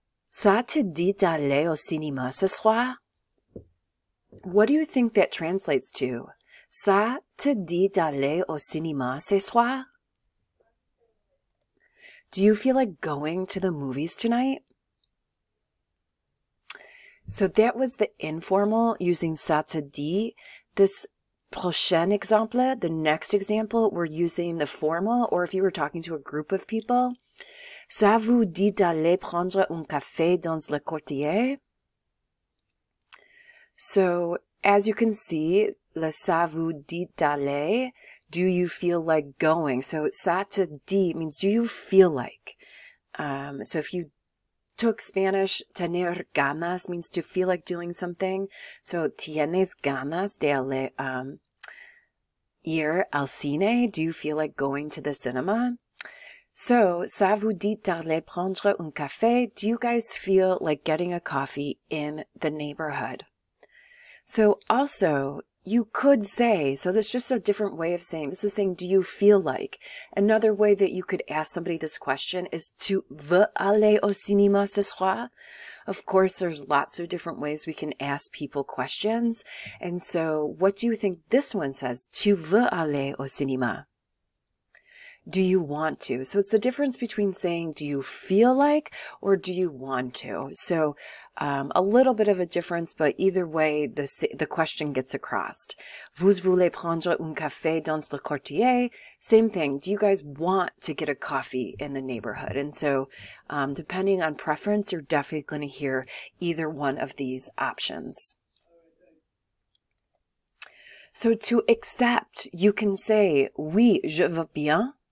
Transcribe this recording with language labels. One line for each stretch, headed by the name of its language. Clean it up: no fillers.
French: Ça te dit d'aller au cinéma ce soir?
English: What do you think that translates to?
French: Ça te dit d'aller au cinéma ce soir?
English: Do you feel like going to the movies tonight? So that was the informal using
French: ça te dit.
English: This
French: prochain exemple,
English: the next example, we're using the formal, or if you were talking to a group of people.
French: Ça vous dit d'aller prendre un café dans le quartier?
English: So, as you can see,
French: le ça vous dit d'aller,
English: do you feel like going? So,
French: ça te dit
English: means do you feel like? So, if you took Spanish,
Spanish: tener ganas
English: means to feel like doing something.
Spanish: So, tienes ganas de
French: aller,
Spanish: ir al cine?
English: Do you feel like going to the cinema?
French: So, ça vous dit d'aller prendre un café?
English: Do you guys feel like getting a coffee in the neighborhood? So, also, you could say, so that's just a different way of saying, this is saying, do you feel like? Another way that you could ask somebody this question is,
French: tu veux aller au cinéma ce soir?
English: Of course, there's lots of different ways we can ask people questions. And so, what do you think this one says?
French: Tu veux aller au cinéma?
English: Do you want to? So it's the difference between saying, do you feel like, or do you want to? So a little bit of a difference, but either way, the question gets across.
French: Vous voulez prendre un café dans le quartier?
English: Same thing. Do you guys want to get a coffee in the neighborhood? And so depending on preference, you're definitely going to hear either one of these options. So to accept, you can say,
French: oui, je veux bien.